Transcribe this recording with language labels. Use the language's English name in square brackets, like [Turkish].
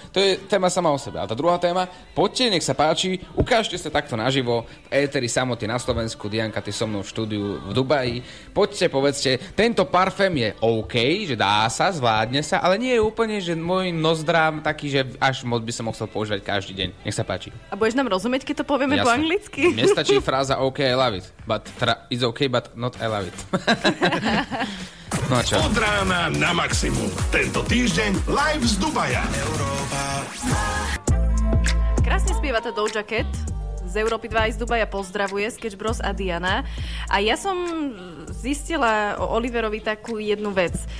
[Slovak] To je téma sama o sebe. A tá druhá téma, poďte, nech sa páči, ukážte sa takto naživo v Eteri Samoty na Slovensku, Dianka, ty so mnou v štúdiu v Dubaji. Poďte, povedzte, tento parfém je OK, že dá sa, zvládne sa, ale nie je úplne, že môj nozdrám taký, že až moc by som chcel používať každý deň. Nech sa páči. A budeš nám rozumieť, keď to povieme jasne po anglicky? Mne stačí fráza [English] OK, I love it. But it's OK, but not I love it. [Slovak] No a čo? Od rána na maximum. Tento týždeň live z Dubaja. Krásne spieva to Doja Cat. Z Európy 2 z Dubaja pozdravuje Sketch Bros a Diana. A ja som zistila o Oliverovi takú jednu vec.